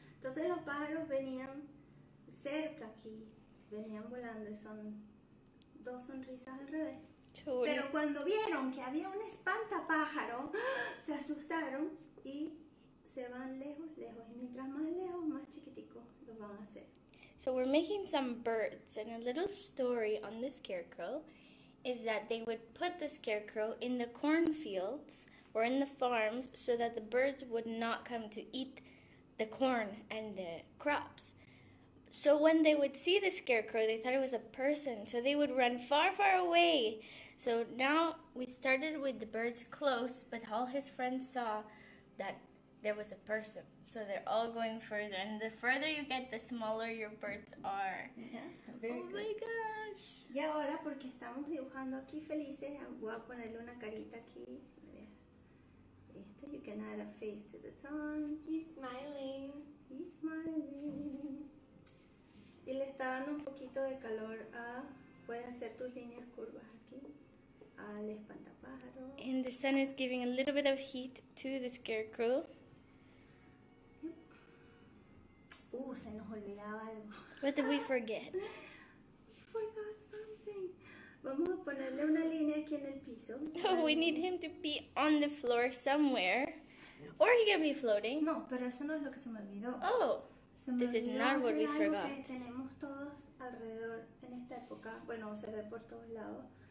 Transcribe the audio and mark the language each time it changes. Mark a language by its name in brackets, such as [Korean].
[Spanish] Entonces los pájaros venían cerca aquí, venían volando y son dos sonrisas al revés. Chul. Pero cuando vieron que había un espantapájaro, se asustaron y se van lejos, lejos. Y mientras más lejos, más chiquitico los van a hacer. [English] So we're making some birds, and a little story on the scarecrow is that they would put the scarecrow in the cornfields or in the farms so that the birds would not come to eat the corn and the crops. So when they would see the scarecrow, they thought it was a person, so they would run far, far away. So now we started with the birds close, but all his friends saw that there was a person. So they're all going further, and the further you get, the smaller your birds are. Yeah, oh good. My gosh! Y ahora, porque estamos dibujando aquí felices, voy a ponerle una carita aquí. You can add a face to the sun. He's smiling. He's smiling. [Spanish] Y le está dando un poquito de calor a... Puedes hacer tus líneas curvas aquí. Al espantapájaro. [English] And the sun is giving a little bit of heat to the scarecrow. [Spanish] Se nos olvidaba algo. [English] What did we forget? We forgot something. [Spanish] Vamos a ponerle una línea aquí en el piso. [English] We need him to be on the floor somewhere. Or he can be floating. [Spanish] No, pero eso no es lo que se me olvidó. [English] Oh, this is not what we forgot. [Spanish] Que tenemos todos alrededor en esta época. Bueno, se ve por todos lados.